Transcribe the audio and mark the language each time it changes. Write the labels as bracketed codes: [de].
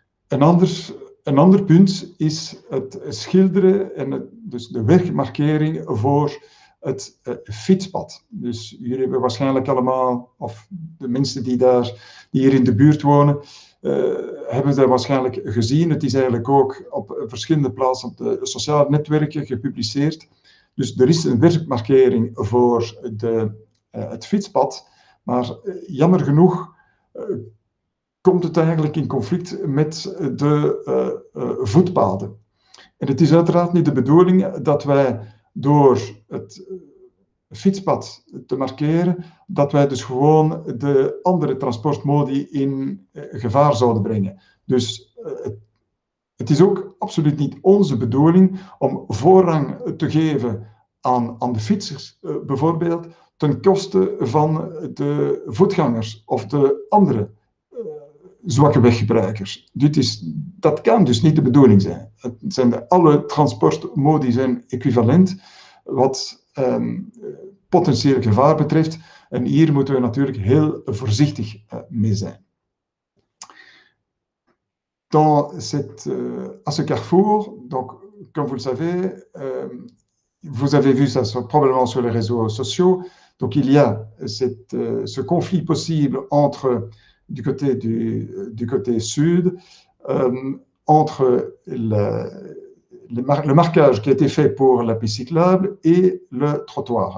[fr] Un autre point est le schilder, donc la wegmarkering pour le fietspad. Donc, vous avez probablement tous, ou les gens qui sont là, qui sont dans la région, vous avez probablement vu. C'est en fait aussi sur différentes plateformes sociales publié. [nl] Dus er is een wegmarkering voor het fietspad, maar jammer genoeg komt het eigenlijk in conflict met de voetpaden. En het is uiteraard niet de bedoeling dat wij door het fietspad te markeren, dat wij dus gewoon de andere transportmodi in gevaar zouden brengen. Dus het is ook absoluut niet onze bedoeling om voorrang te geven aan de fietsers, bijvoorbeeld, ten koste van de voetgangers of de andere zwakke weggebruikers. Dat kan dus niet de bedoeling zijn. Alle transportmodi zijn equivalent wat potentieel gevaar betreft. En hier moeten we natuurlijk heel voorzichtig mee zijn. [fr] Dans cette, à ce carrefour, donc, comme vous le savez, vous avez vu ça probablement sur les réseaux sociaux, donc il y a ce conflit possible entre du côté du côté sud, entre le marquage qui a été fait pour la piste cyclable et le trottoir.